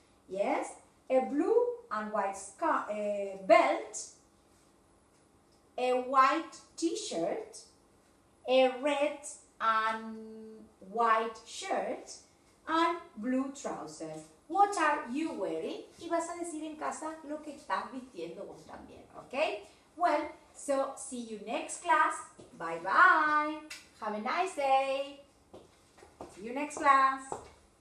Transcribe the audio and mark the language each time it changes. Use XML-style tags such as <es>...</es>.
<en>Yes, a blue and white belt, a white t-shirt, a red and white shirt, and blue trousers. What are you wearing?</en> <es>Y vas a decir en casa lo que estás vistiendo vos también, okay?</es> <en>Well, so see you next class. Bye bye. Have a nice day. See you next class.</en>